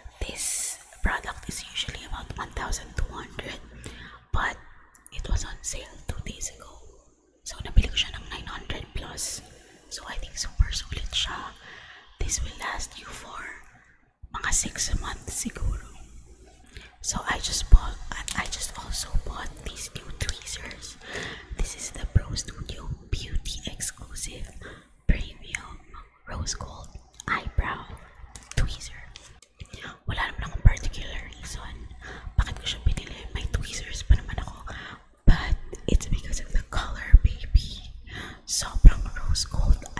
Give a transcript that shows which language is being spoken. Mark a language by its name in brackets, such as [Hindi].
[English] This product is usually about 1,200. But it was on sale 2 days ago. [Filipino] So nabili ko siya ng 900 plus. [English] So I think super solid siya. This will last you for mga 6 months [Filipino] siguro. [English] So I just also bought these new tweezers. This is the Pro Studio Beauty Exclusive Premium Rose Gold Eyebrow Tweezer. [Filipino] Wala naman akong particular reason bakit ko siya pinili. May tweezers pa naman ako. [English] But it's because of the color, baby. [Filipino] Sobrang [English] rose gold.